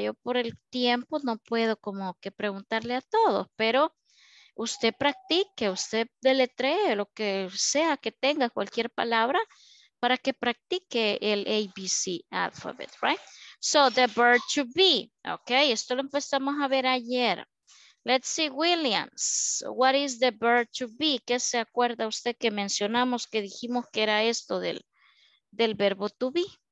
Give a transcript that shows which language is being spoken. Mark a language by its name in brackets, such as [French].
[Spanish] Yo por el tiempo no puedo como que preguntarle a todos, pero usted practique, usted deletree lo que sea que tenga, cualquier palabra, para que practique el ABC [English] alphabet, right? So, the verb to be, okay? [Spanish] Esto lo empezamos a ver ayer. [English] Let's see, Williams, what is the verb to be? [Spanish] ¿Qué se acuerda usted que mencionamos, que dijimos que era esto del verbo to be?